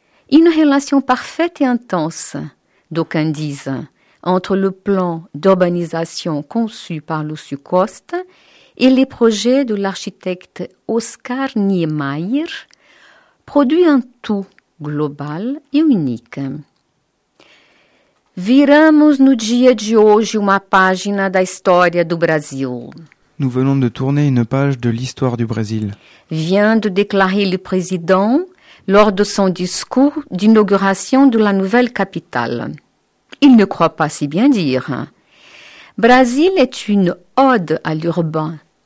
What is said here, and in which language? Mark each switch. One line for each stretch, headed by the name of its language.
French: Une relation parfaite et intense, d'aucuns disent, entre le plan d'urbanisation conçu par Lúcio Costa et les projets de l'architecte Oscar Niemeyer, produit un tout global et unique.
Portuguese: Viramos no dia de hoje uma página da história do Brasil.
French: Nous venons de tourner une page de l'histoire du Brésil. Vient de déclarer le président lors de son discours d'inauguration de la nouvelle capitale. Il ne croit pas si bien dire. Brésil est une ode à l'urbain.